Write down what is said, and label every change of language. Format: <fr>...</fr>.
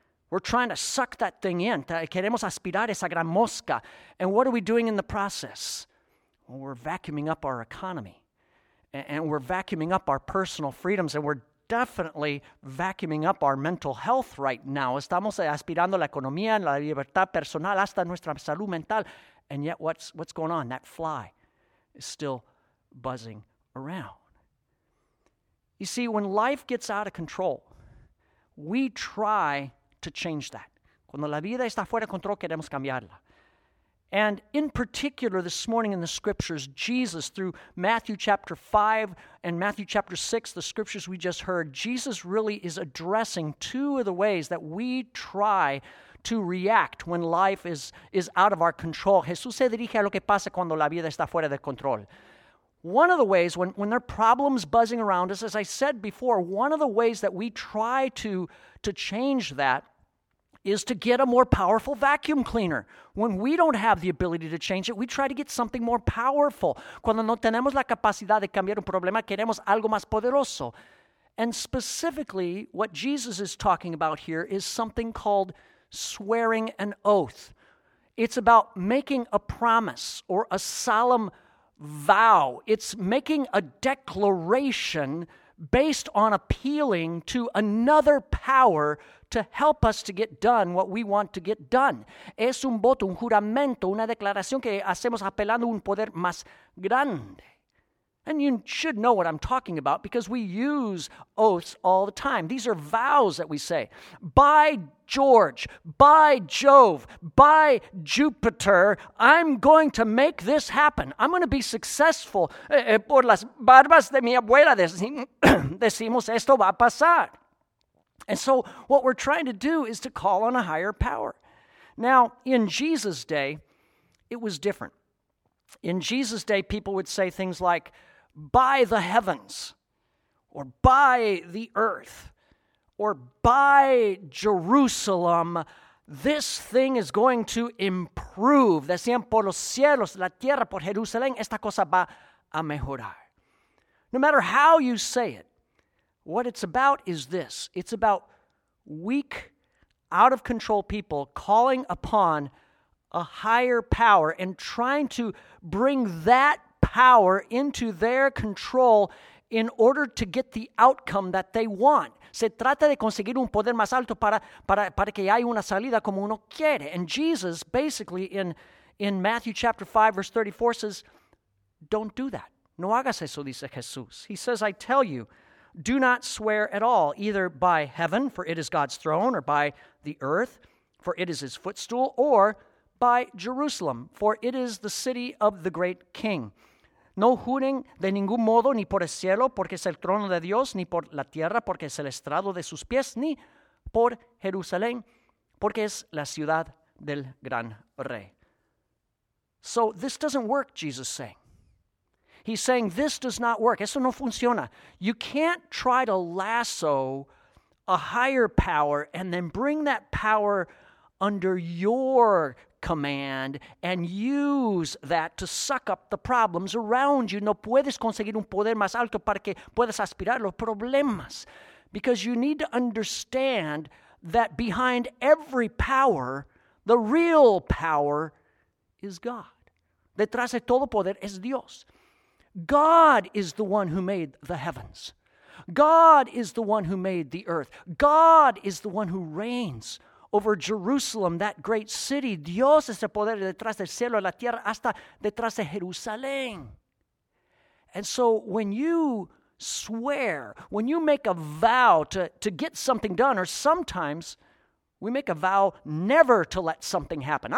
<en>We're trying to suck that thing in.</en> <es>Queremos aspirar esa gran mosca.</es> <en>And what are we doing in the process? Well, we're vacuuming up our economy. And we're vacuuming up our personal freedoms. And we're definitely vacuuming up our mental health right now.</en> <es>Estamos aspirando la economía, la libertad personal, hasta nuestra salud mental.</es> <en>And yet what's going on? That fly is still buzzing around. You see, when life gets out of control, we try to change that.</en> <es>Cuando la vida está fuera de control, queremos cambiarla.</es> <en>And in particular, this morning in the scriptures, Jesus, through Matthew chapter 5 and Matthew chapter 6, the scriptures we just heard, Jesus really is addressing two of the ways that we try to react when life is out of our control.</en> <es>Jesús se dirige a lo que pasa cuando la vida está fuera de control.</es> <en>One of the ways, when there are problems buzzing around us, as I said before, one of the ways that we try to change that is to get a more powerful vacuum cleaner. When we don't have the ability to change it, we try to get something more powerful.</en> <es>Cuando no tenemos la capacidad de cambiar un problema, queremos algo más poderoso.</es> <en>And specifically, what Jesus is talking about here is something called swearing an oath. It's about making a promise or a solemn vow. It's making a declaration based on appealing to another power to help us to get done what we want to get done.</en> <es>Es un voto, un juramento, una declaración que hacemos apelando a un poder más grande.</es> <en>And you should know what I'm talking about because we use oaths all the time. These are vows that we say. By George, by Jove, by Jupiter, I'm going to make this happen. I'm going to be successful.</en> <es>Por las barbas de mi abuela decimos esto va a pasar.</es> <en>And so what we're trying to do is to call on a higher power. Now, in Jesus' day, it was different. In Jesus' day, people would say things like, by the heavens, or by the earth, or by Jerusalem, this thing is going to improve.</en> <es>Decían por los cielos, la tierra, por Jerusalén, esta cosa va a mejorar.</es> <en>No matter how you say it, what it's about is this. It's about weak, out-of-control people calling upon a higher power and trying to bring that power into their control in order to get the outcome that they want.</en> <es>Se trata de conseguir un poder más alto para que haya una salida como uno quiere.</es> <en>And Jesus, basically, in Matthew chapter 5, verse 34, says, don't do that.</en> <es>No hagas eso, dice Jesús.</es> <en>He says, I tell you, do not swear at all, either by heaven, for it is God's throne, or by the earth, for it is his footstool, or by Jerusalem, for it is the city of the great king.</en> <es>No juren de ningún modo, ni por el cielo, porque es el trono de Dios, ni por la tierra, porque es el estrado de sus pies, ni por Jerusalén, porque es la ciudad del gran rey.</es> <en>So this doesn't work, Jesus is saying. He's saying, this does not work.</en> <es>Eso no funciona.</es> <en>You can't try to lasso a higher power and then bring that power under your command and use that to suck up the problems around you.</en> <es>No puedes conseguir un poder más alto para que puedas aspirar los problemas.</es> <en>Because you need to understand that behind every power, the real power is God.</en> <es>Detrás de todo poder es Dios.</es> <en>God is the one who made the heavens. God is the one who made the earth. God is the one who reigns over Jerusalem, that great city.</en> <es>Dios es el poder detrás del cielo, la tierra, hasta detrás de Jerusalén.</es> <en>And so when you swear, when you make a vow to get something done, or sometimes we make a vow never to let something happen.</en>